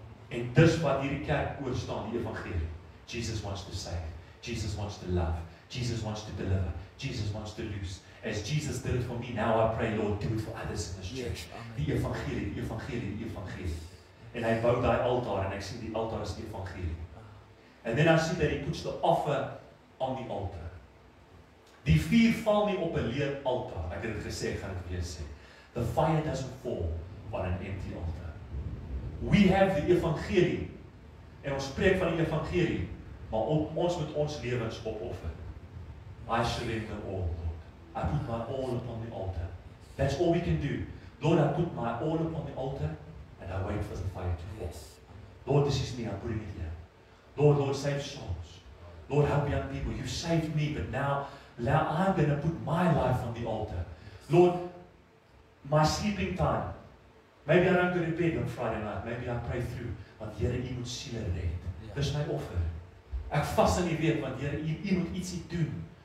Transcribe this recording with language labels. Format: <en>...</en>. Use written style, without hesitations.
<af>En dis wat hierdie kerk oor staan, die evangelie.</af> <en>Jesus wants to save. Jesus wants to love. Jesus wants to deliver. Jesus wants to loose. As Jesus did it for me, now I pray, Lord, do it for others in this church.</en> <af>Die evangelie, die evangelie, die evangelie. En hy bou daai altaar en ek sien die altaar is die evangelie.</af> <en>And then I see that he puts the offer on the altar.</en> <af>Die vuur val nie op 'n leeg altaar. Ek het dit gesê, gaan ek weer sê.</af> <en>The fire doesn't fall on an empty altar. We have the</en> <af>evangelie. En ons spreek van die evangelie, maar ons moet ons lewens opoffer.</af> <en>I surrender all, Lord. I put my all upon the altar. That's all we can do. Lord, I put my all upon the altar and I wait for the fire to fall. Lord, this is me. I'm putting it here. Lord, save souls. Lord, help young people. You saved me, but now I'm going to put my life on the altar. Lord, my sleeping time. Maybe I don't go to bed on Friday night. Maybe I pray through.</en> <af>Want Here, U moet siele red. Dis my offer. Ek vas in die week, want Here, U moet ietsie doen.</af>